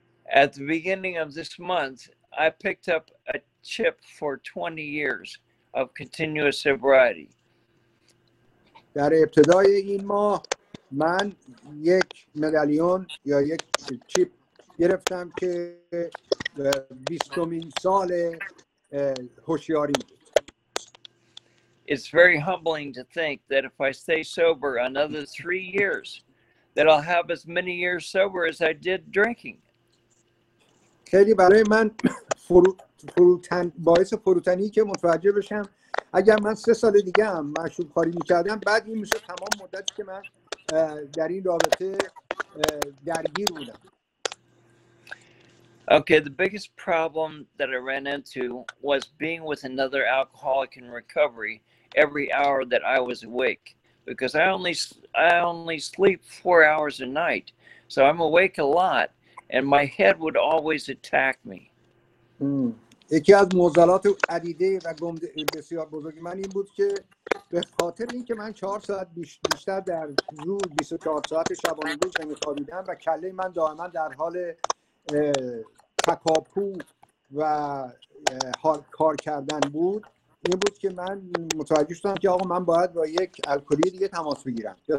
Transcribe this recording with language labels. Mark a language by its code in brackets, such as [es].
[en] At the beginning of this month, I picked up a chip for 20 years of continuous sobriety. [fa] در ابتدای این ماه من یک مدالیون یا یک چیپ گرفتم که 20 سال هوشیاری بود. [en] It's very humbling to think that if I stay sober another 3 years, that I'll have as many years sober as I did drinking. [fa] خیلی برای من فروتن باعث فروتنی که متوجه بشم اگر من 3 سال دیگه هم مشروب کاری میکردم، بعد این میشه تمام مدتی که من در این رابطه درگیر بودم. [en] Okay, the biggest problem that I ran into was being with another alcoholic in recovery every hour that I was awake, because I only sleep 4 hours a night, so I'm awake a lot, and my head would always attack me. [fa] یکی از موزلات عدیده و بسیار بزرگی من این بود که به خاطر اینکه من 4 ساعت بیشتر در روز 24 ساعت شبانه روز نمی‌خوابیدم و کله من دائما در حال تکاپو و کار کردن بود، این بود که من متوجه شدم که آقا من باید با یک الکلی دیگه تماس بگیرم.